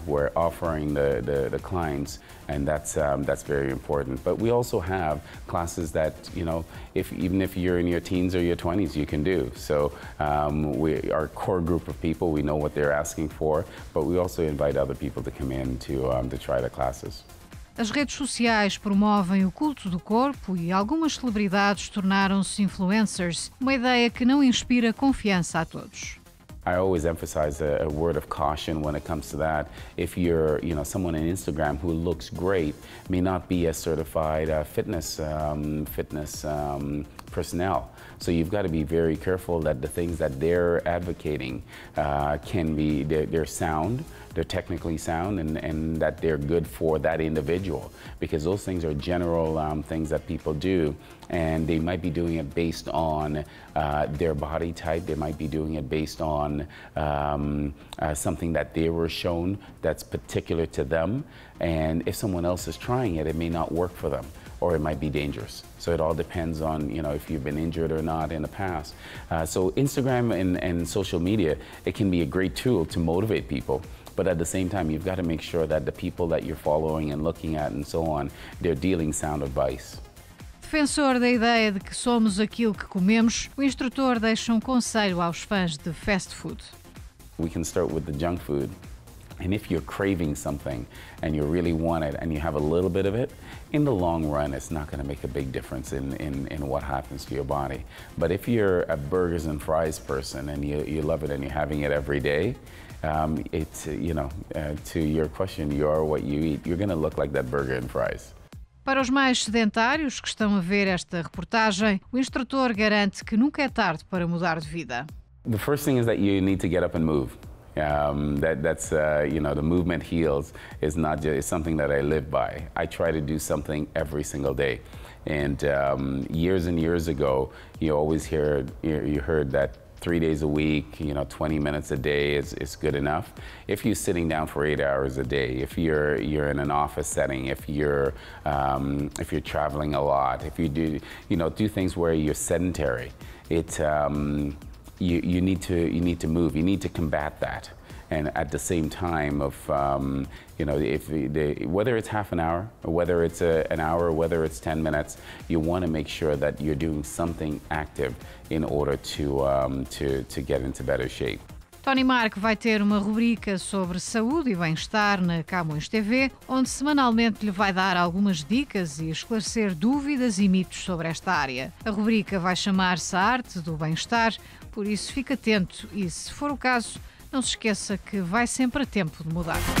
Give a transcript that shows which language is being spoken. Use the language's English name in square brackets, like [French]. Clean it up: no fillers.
[English] We're offering the clients, and that's very important. But we also have classes that, you know, even if you're in your teens or your 20s, you can do. So our core group of people, we know what they're asking for, but we also invite other people to come in to try the classes. [Portuguese] As redes sociais promovem o culto do corpo e algumas celebridades tornaram-se influencers, uma ideia que não inspira confiança a todos. [English] I always emphasize a word of caution when it comes to that. If you're, you know, someone on Instagram who looks great, may not be a certified fitness personnel. So you've got to be very careful that the things that they're advocating they're sound, they're technically sound, and that they're good for that individual. Because those things are general things that people do, and they might be doing it based on their body type. They might be doing it based on something that they were shown that's particular to them. And if someone else is trying it, it may not work for them, or it might be dangerous. So it all depends on, you know, if you've been injured or not in the past. So Instagram and social media, it can be a great tool to motivate people, but at the same time, you've got to make sure that the people that you're following and looking at and so on, they're dealing sound advice. [Portuguese] defensor da ideia de que somos aquilo que comemos, o instrutor deixa um conselho aos fãs de fast food. [English] We can start with the junk food. And if you're craving something and you really want it and you have a little bit of it, in the long run it's not going to make a big difference in what happens to your body. But if you're a burgers and fries person and you love it and you're having it every day, to your question, you are what you eat. You're going to look like that burger and fries. [Portuguese] Para os mais sedentários que estão a ver esta reportagem, o instrutor garante que nunca é tarde para mudar de vida. [English] The first thing is that you need to get up and move. The movement heals is not just, it's something that I live by. I try to do something every single day. And years and years ago, you heard that 3 days a week, 20 minutes a day is good enough. If you're sitting down for 8 hours a day, if you're in an office setting, if you're traveling a lot, if you do things where you're sedentary, you need to move. You need to combat that. And at the same time whether it's half an hour, or whether it's an hour, or whether it's 10 minutes, you want to make sure that you're doing something active in order to get into better shape. [Portuguese] Tony Mark vai ter uma rubrica sobre saúde e bem-estar na Camões TV, onde semanalmente lhe vai dar algumas dicas e esclarecer dúvidas e mitos sobre esta área. A rubrica vai chamar-se A Arte do Bem-Estar, por isso fique atento e, se for o caso, não se esqueça que vai sempre a tempo de mudar.